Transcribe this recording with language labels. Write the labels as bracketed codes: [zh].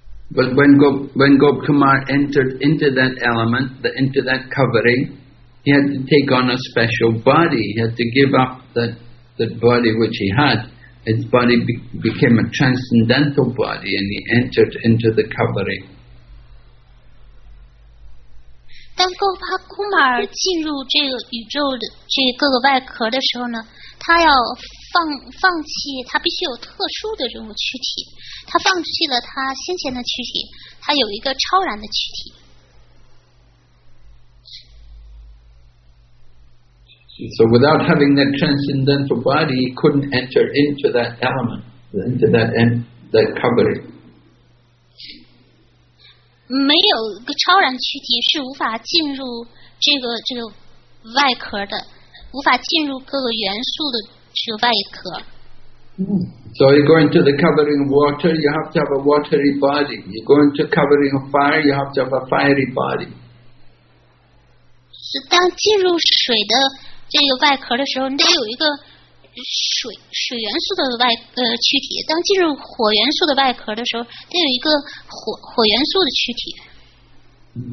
[en] But when Gop Kumar entered into that element, into that covering, he had to take on a special body. He had to give up that body which he had. His body became a transcendental body, and he entered into the covering. [zh] 当 Gop Kumar 进入这个宇宙的这各个外壳的时候呢，他要放弃，他必须有特殊的这种躯体，他放弃了他先前的躯体，他有一个超然的躯体。 [en] So without having that transcendental body, he couldn't enter into that element, into that covering. [zh] 没有一个超然躯体是无法进入这个外壳的，无法进入各个元素的。 [en] So you go into the covering of water, you have to have a watery body. You go into covering of fire, you have to have a fiery body. [zh] 是当进入水的这个外壳的时候，你得有一个水元素的外躯体。当进入火元素的外壳的时候，得有一个火元素的躯体。